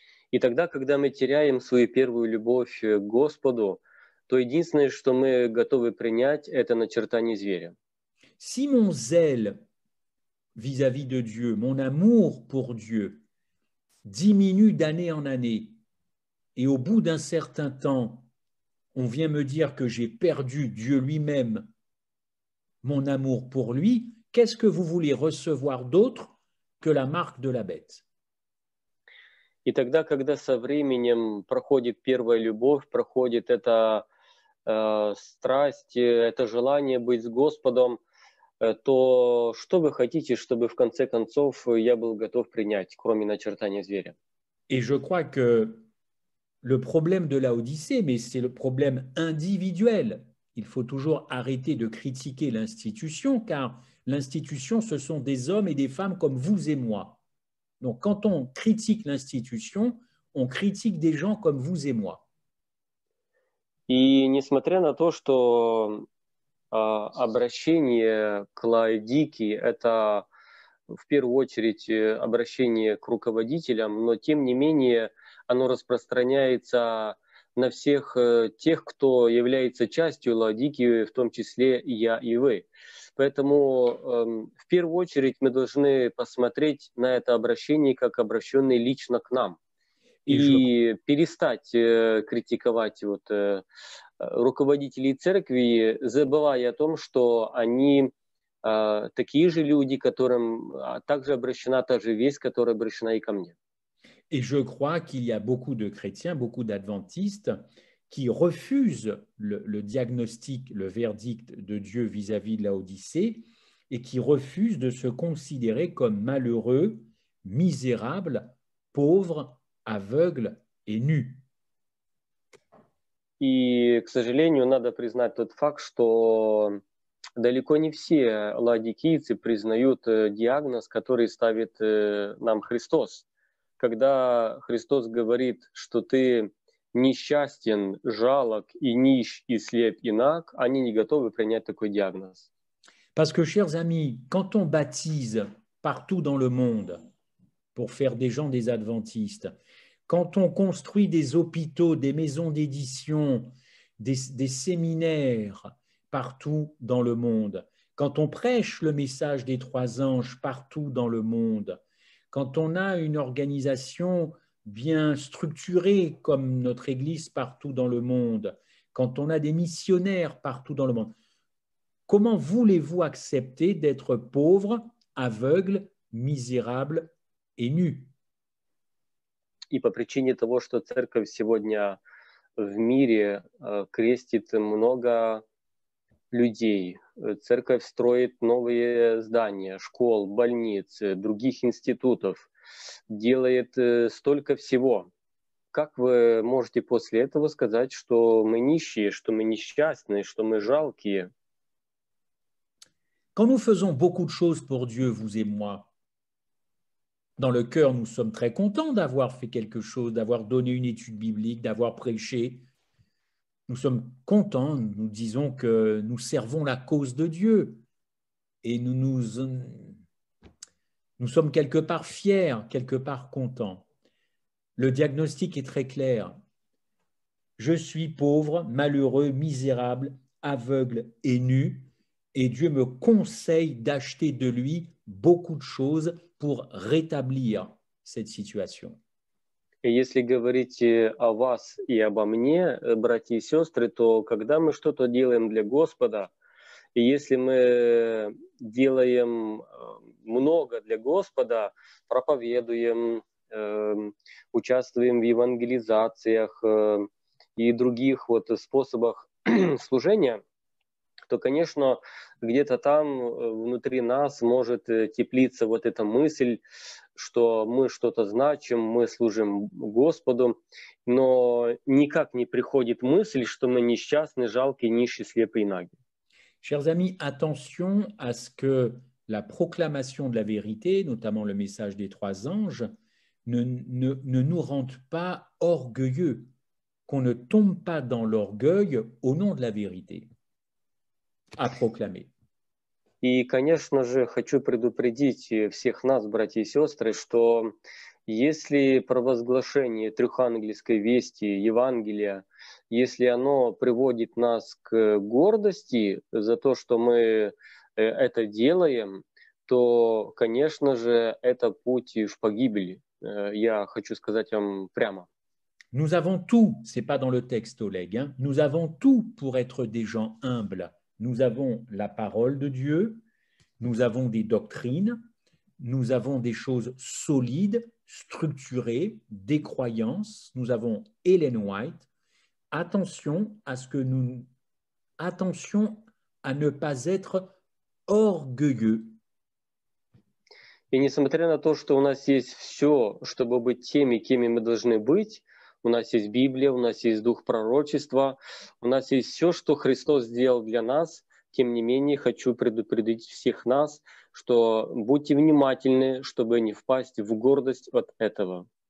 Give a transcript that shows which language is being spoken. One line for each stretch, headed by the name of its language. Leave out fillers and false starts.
Russian: И тогда, когда мы теряем свою первую любовь к Господу, то единственное, что мы готовы принять, это начертание зверя.
French: Si mon zèle vis-à-vis de Dieu, mon amour pour Dieu, diminue d'année en année, et au bout d'un certain temps, on vient me dire que j'ai perdu Dieu lui-même, mon amour pour lui, qu'est-ce que vous voulez recevoir d'autre que la marque de la bête?
Russian: И тогда, когда со временем проходит первая любовь, проходит эта страсть, это желание быть с Господом, то что вы хотите, чтобы в конце концов я был готов принять, кроме начертания зверя?
French: Et je crois que le problème de l'Odyssée, mais c'est le problème individuel. Il faut toujours arrêter de critiquer l'institution, car l'institution, ce sont des hommes et des femmes comme vous et moi. Donc, quand on critique l'institution, on critique des gens comme vous et moi.
Russian: И несмотря на то, что обращение к Лаодике – это в первую очередь обращение к руководителям, но тем не менее оно распространяется на всех тех, кто является частью Лаодики, в том числе и я, и вы. Поэтому в первую очередь мы должны посмотреть на это обращение как обращенное лично к нам. И перестать критиковать вот, руководителей церкви, забывая о том, что они такие же люди, которым также обращена та же весть, которая обращена и ко мне.
French: Et je crois qu'il y a beaucoup de chrétiens, beaucoup d'adventistes qui refusent le diagnostic, le verdict de Dieu vis-à-vis de Laodicée et qui refusent de se considérer comme malheureux, misérable, pauvre, aveugle et nu.
Russian: И, к сожалению, надо признать тот факт, что далеко не все лаодикийцы признают диагноз, который ставит нам Христос. Когда Христос говорит, что ты несчастен, жалок и нищ и слеп и наг, они не готовы принять такой диагноз.
French: Parce que, chers amis, quand on baptise partout dans le monde pour faire des gens des adventistes, quand on construit des hôpitaux, des maisons d'édition, des séminaires partout dans le monde, quand on prêche le message des trois anges partout dans le monde, quand on a une organisation bien structurée comme notre Église partout dans le monde, quand on a des missionnaires partout dans le monde, comment voulez-vous accepter d'être pauvre, aveugle, misérable et nu?
Russian: И по причине того, что церковь сегодня в мире крестит много людей, церковь строит новые здания, школ, больниц, других институтов, делает столько всего. Как вы можете после этого сказать, что мы нищие, что мы несчастные, что мы жалкие?
French: Quand nous faisons beaucoup de choses pour Dieu, vous et moi, dans le cœur, nous sommes très contents d'avoir fait quelque chose, d'avoir donné une étude biblique, d'avoir prêché. Nous sommes contents, nous disons que nous servons la cause de Dieu. Et nous sommes quelque part fiers, quelque part contents. Le diagnostic est très clair. Je suis pauvre, malheureux, misérable, aveugle et nu. Et Dieu me conseille d'acheter de lui beaucoup de choses pour rétablir cette situation. Et
Russian: если говорить о вас и обо мне, братья и сестры, то когда мы что-то делаем для Господа, и если мы делаем много для Господа, проповедуем, участвуем в евангелизациях и других вот способах служения, то, конечно, где-то там внутри нас может теплиться вот эта мысль, что мы что-то значим, мы служим Господу, но никак не приходит мысль, что мы несчастны, жалки, нищи, слепы и наги.
French: Chers amis, attention à ce que la proclamation de la vérité, notamment le message des trois anges, ne nous rende pas orgueilleux, qu'on ne tombe pas dans l'orgueil au nom de la vérité. А проклями.
Russian: И, конечно же, хочу предупредить всех нас, братья и сестры, что если провозглашение трехангельской вести, Евангелия, если оно приводит нас к гордости за то, что мы это делаем, то, конечно же, это путь в погибели. Я хочу сказать вам прямо.
French: Nous avons tout, c'est pas dans le texte, Oleg, hein? Nous avons tout pour être des gens humbles. Nous avons la parole de Dieu, nous avons des doctrines, nous avons des choses solides, structurées, des croyances. Nous avons Ellen White. Attention à ne pas être orgueilleux. Et
Russian: несмотря на то, что у нас есть все, чтобы быть теми, кем мы должны быть. У нас есть Библия, у нас есть Дух Пророчества, у нас есть все, что Христос сделал для нас. Тем не менее, хочу предупредить всех нас, что будьте внимательны, чтобы не впасть в гордость от этого.